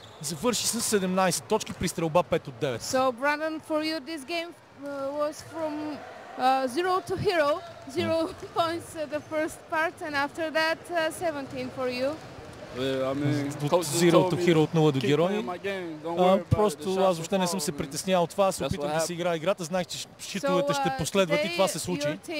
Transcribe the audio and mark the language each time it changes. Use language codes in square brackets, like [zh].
[bg] Завърши с 17 точки при стрелба 5 от 9. [en] So, Brandon, for you this game was from zero to hero. Zero points the first part and after that 17 for you. Zero to hero, [bg] от 0 до герой. Просто аз въобще не съм се притеснявал от това. Аз се опитвам да си играя играта. Знаех, че щитовете ще последват и това се случи.